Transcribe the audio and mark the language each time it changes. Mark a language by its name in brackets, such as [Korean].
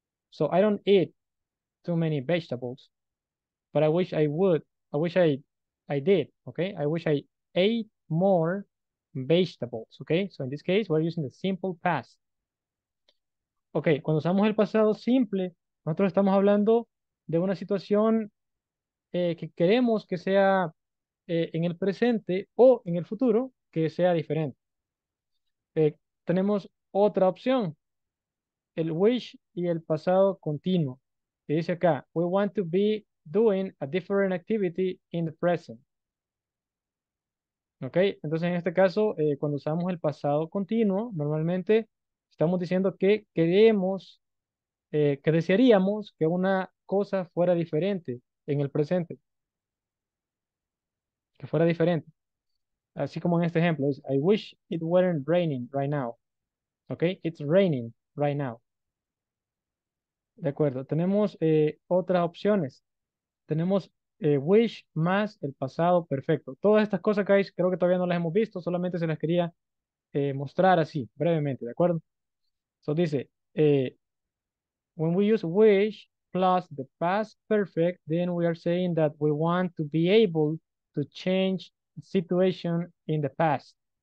[English] So I don't eat too many vegetables, but I wish I would. I wish I did. Okay? I wish I ate more vegetables. Okay? So in this case, we're using the simple past. [Spanish] Okay, cuando usamos el pasado simple, nosotros estamos hablando de una situación que queremos que sea en el presente o en el futuro, que sea diferente. Tenemos otra opción, el wish y el pasado continuo. Y dice acá, [English] we want to be doing a different activity in the present. [Spanish] Ok, entonces en este caso, cuando usamos el pasado continuo, normalmente estamos diciendo que queremos, que desearíamos que una cosa fuera diferente en el presente. Que fuera diferente. Así como en este ejemplo, es, [English] I wish it weren't raining right now. [Spanish] Ok, [English] it's raining right now. [Spanish] De acuerdo, tenemos otras opciones. Tenemos wish más el pasado perfecto. Todas estas cosas, guys, creo que todavía no las hemos visto, solamente se las quería mostrar así, brevemente, ¿de acuerdo? [English] So dice, when we use wish plus the past perfect, then we are saying that we want to be able to change the situation in the past.